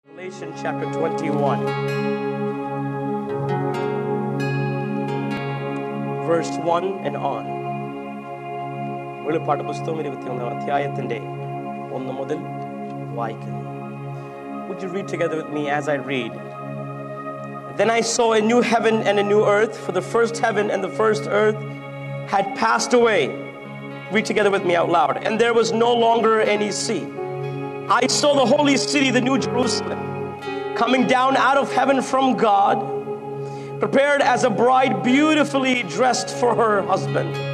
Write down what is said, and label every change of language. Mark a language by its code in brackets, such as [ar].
[en] Revelation chapter 21, verse 1 and on. [ml] വെളിപ്പാട് പുസ്തകം 21 അധ്യായത്തിന്റെ 1 മുതൽ വായിക്കുന്നു. [en] Would you read together with me as I read? Then I saw a new heaven and a new earth, for the first heaven and the first earth had passed away. Read together with me out loud. And there was no longer any sea. I saw the holy city, the new Jerusalem, coming down out of heaven from God, prepared as a bride beautifully dressed for her husband.